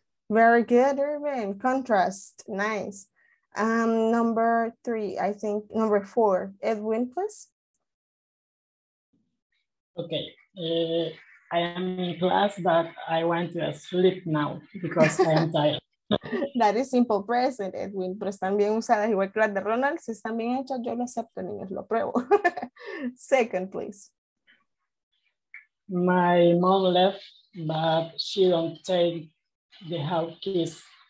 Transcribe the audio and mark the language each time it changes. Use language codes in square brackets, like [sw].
[en] Very good, Irvin. Contrast. Nice. Number four. Edwin, please. Okay, I am in class, but I want to sleep now because I am tired. That is simple present, [es] Edwin, pero están bien usadas, igual que las de Ronald. Si están bien hechas, yo lo acepto, niños, lo pruebo. [en] Second, please. My mom left, but she don't take the house keys.